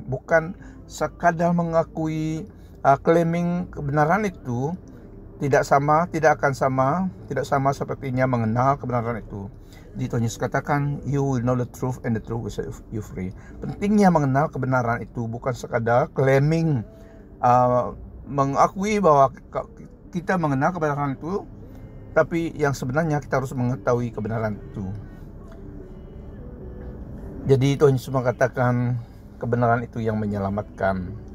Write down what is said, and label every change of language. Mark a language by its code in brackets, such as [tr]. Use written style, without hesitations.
[id] Bukan sekadar mengakui, claiming kebenaran itu tidak sama, tidak akan sama, tidak sama sepertinya mengenal kebenaran itu. Jadi Tuhan Yesus katakan, [en] you will know the truth and the truth will set you free. [id] Pentingnya mengenal kebenaran itu bukan sekadar claiming, mengakui bahwa kita mengenal kebenaran itu, tapi yang sebenarnya kita harus mengetahui kebenaran itu. Jadi Tuhan Yesus mengatakan kebenaran itu yang menyelamatkan.